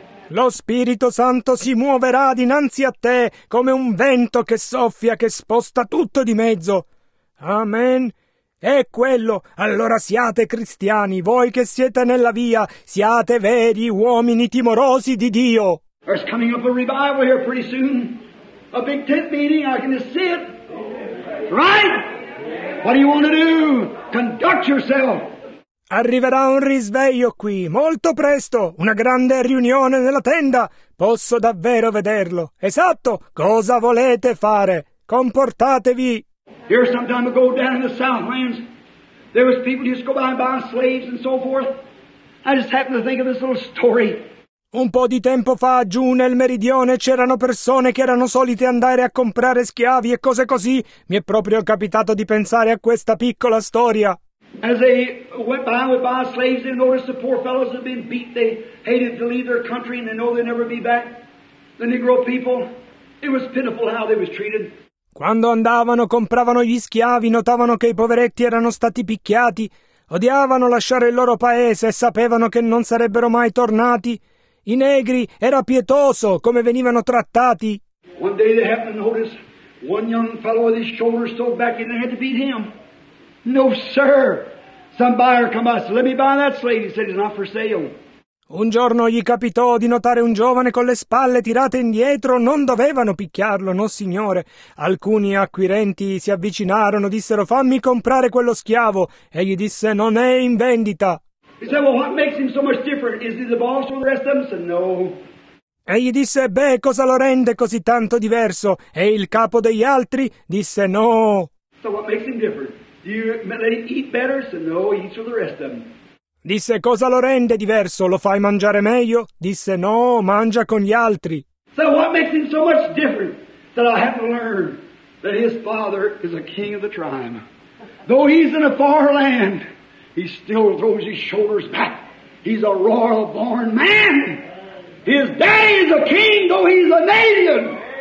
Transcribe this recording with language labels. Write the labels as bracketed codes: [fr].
[it] Lo Spirito Santo si muoverà dinanzi a te come un vento che soffia, che sposta tutto di mezzo. Amen. È quello. Allora siate cristiani, voi che siete nella via, siate veri uomini timorosi di Dio. [en] There's coming up a revival here pretty soon. A big tent meeting, I can just see it. Right? What do you want to do? Conduct yourself. [it] Arriverà un risveglio qui, molto presto, una grande riunione nella tenda. Posso davvero vederlo. Esatto, cosa volete fare? Comportatevi. [en] Here some time ago down in the Southlands, there was people who used to go by and buy slaves and so forth. I just happened to think of this little story. [it] Un po' di tempo fa, giù nel meridione, c'erano persone che erano solite andare a comprare schiavi e cose così. Mi è proprio capitato di pensare a questa piccola storia. [en] As they went by with my slaves, they noticed the poor fellows had been beat. They hated to leave their country, and they know they'd never be back. The Negro people, it was pitiful how they was treated. [it] Quando andavano, compravano gli schiavi, notavano che i poveretti erano stati picchiati, odiavano lasciare il loro paese e sapevano che non sarebbero mai tornati. I negri era pietoso come venivano trattati. [en] One day they happened to notice One young fellow with his shoulders so back in, they had to beat him. No, sir. Some buyer come up, let me buy that slave. He said, it's not for sale. [it] Un giorno gli capitò di notare un giovane con le spalle tirate indietro, non dovevano picchiarlo, no signore. Alcuni acquirenti si avvicinarono, dissero, fammi comprare quello schiavo. E gli disse, non è in vendita. [en] He said, well, what makes him so much different? Is he the boss or the rest of them? He said, no. [it] E gli disse, beh, cosa lo rende così tanto diverso? E il capo degli altri? Disse, no. [en] So what makes him different? Do you let him eat better? He said, no, he eats with the rest of them. [it] Disse, cosa lo rende diverso? Lo fai mangiare meglio? Disse, no, mangia con gli altri. [en] So what makes him so much different? That I have to learn that his father is a king of the tribe. Though he's in a far land, he still throws his shoulders back. He's a royal born man. His daddy is a king, though he's an alien.